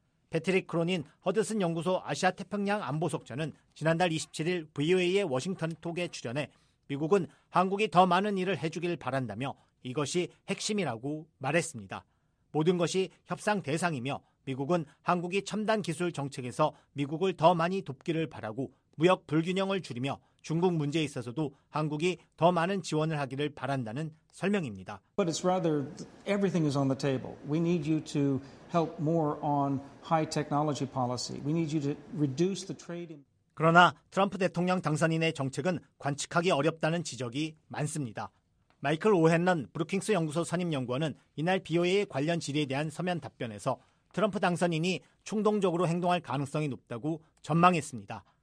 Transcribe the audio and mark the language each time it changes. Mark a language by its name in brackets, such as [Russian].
[Korean] 패트릭 크로닌 허드슨 연구소 아시아 태평양 안보석좌는 지난달 27일 VOA의 워싱턴 톡에 출연해 미국은 한국이 더 많은 일을 해주길 바란다며 이것이 핵심이라고 말했습니다. 모든 것이 협상 대상이며 미국은 한국이 첨단 기술 정책에서 미국을 더 많이 돕기를 바라고 무역 불균형을 줄이며 중국 문제에 있어서도 한국이 더 많은 지원을 하기를 바란다는 설명입니다. [English] But it's rather everything is on the table. We need you to help more on high technology policy. We need you to reduce the trade in [Korean] 그러나 트럼프 대통령 당선인의 정책은 관측하기 어렵다는 지적이 많습니다. 마이클 오헨런 브루킹스 연구소 선임 연구원은 이날 BOA 관련 질의에 대한 서면 답변에서 트럼프 당선인이 충동적으로 행동할 가능성이 높다고 전망했습니다.